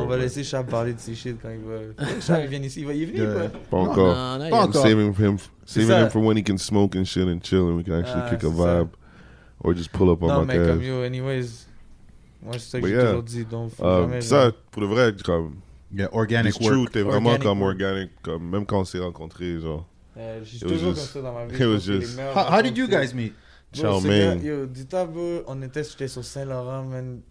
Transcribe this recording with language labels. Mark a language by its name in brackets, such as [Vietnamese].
[French] On va laisser Chab parler de ses shit quand il va. Chab, il vient ici. Il va y venir, quoi. Pas encore. Pas encore. [English] Saving him for when he can smoke and shit and chill and we can actually kick a vibe. Or just pull up on my cash. [French] Non, mais comme yo, anyways. Moi, c'est ça que j'ai toujours dit, donc... ça, pour le vrai, comme... [English] Yeah, organic work. [French] True, t'es vraiment organic comme work. Organic, comme, même quand on s'est rencontrés, genre... J'ai toujours comme ça dans ma vie. [English] It was just... How did you guys meet? Chowmane. [French] Yo, dis-toi, bro, on était, j'étais sur Saint-Laurent, man.